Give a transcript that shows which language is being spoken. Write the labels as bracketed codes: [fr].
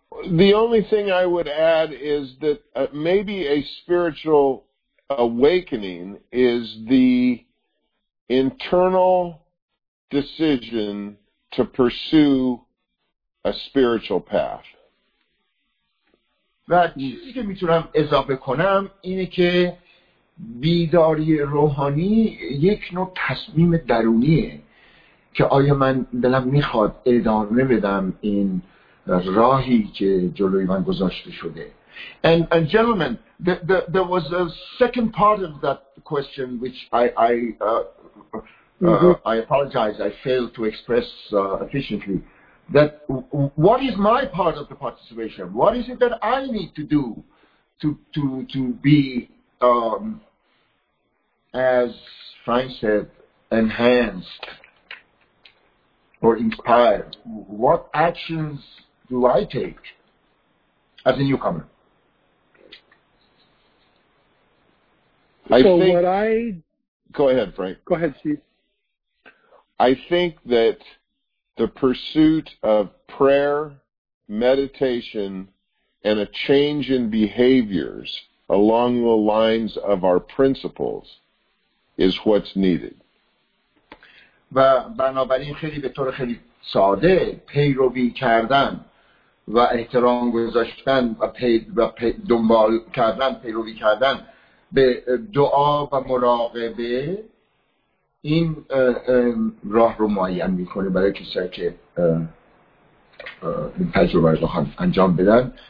[en] The only thing I would add is that maybe a spiritual awakening is the internal decision to pursue a spiritual path. [fa] و چیزی که میتونم اضافه کنم اینه که بیداری روحانی یک نوع تصمیم درونیه که آیا من دلم میخواد ادامه بدم این راهی که جلوی من گذاشته شده. [en] And gentlemen, there was a second part of that question which I apologize, I failed to express efficiently. That what is my part of the participation? What is it that I need to do to be, as Frank said, enhanced or inspired? What actions do I take as a newcomer? Go ahead, Frank. Go ahead, Steve. I think that the pursuit of prayer, meditation, and a change in behaviors along the lines of our principles is what's needed. [fa] و بنابراین خیلی به طور خیلی ساده پیروی کردن و احترام گذاشتن و دنبال کردن پیروی کردن به دعا و مراقبه این راه رو معین میکنه برای کسی که تجربه رو خواهد انجام بدن.